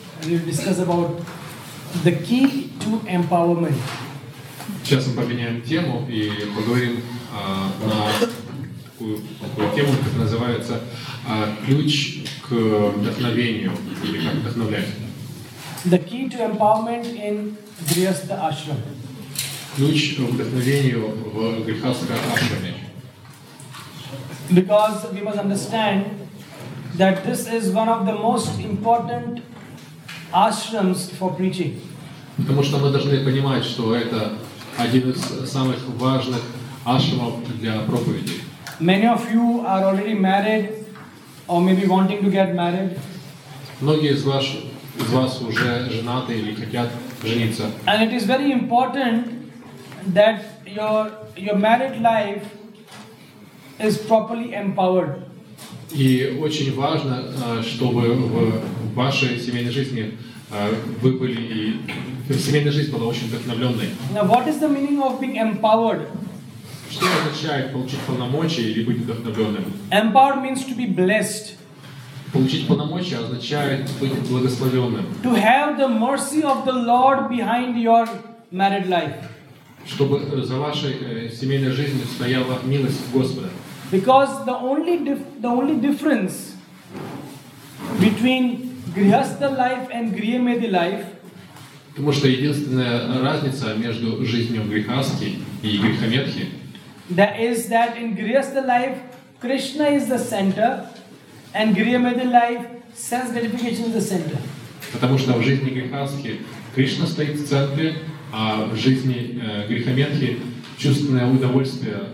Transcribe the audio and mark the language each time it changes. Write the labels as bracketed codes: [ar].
[en] We will discuss about the key to empowerment. [ru] Сейчас мы поменяем тему и поговорим на такую тему, которая называется ключ к вдохновению или как вдохновлять. [en] The key to empowerment in Grihastha Ashram. [ru] Ключ к вдохновению в Грихастха Ашраме. [en] Because we must understand that this is one of the most important ashrams for preaching. [ru] Потому что мы должны понимать, что это один из самых важных ашрамов для проповеди. [en] Many of you are already married or maybe wanting to get married. [ru] Многие из вас уже женаты или хотят жениться. [en] And it is very important that your married life is properly empowered. [ru] И очень важно, чтобы в вашей семейной жизни вы были и семейная жизнь была очень вдохновленной. [en] Now, what is the meaning of being empowered? [ru] Что означает получить полномочия или быть вдохновленным? [en] Empowered means to be blessed. [ru] Получить полномочия означает быть благословенным. [en] To have the mercy of the Lord behind your married life. [ru] Чтобы за вашей семейной жизнью стояла милость Господа. [en] Because the only difference between Grihastha life and Grihamedi life. [ru] Потому что единственная разница между жизнью Грихасти и Грихамедхи. [en] That is that in Grihastha life Krishna is the center, and Grihamedi life sense gratification is the center. [ru] Потому что в жизни Грихасти Кришна стоит в центре, а в жизни Грихамедхи чувственное удовольствие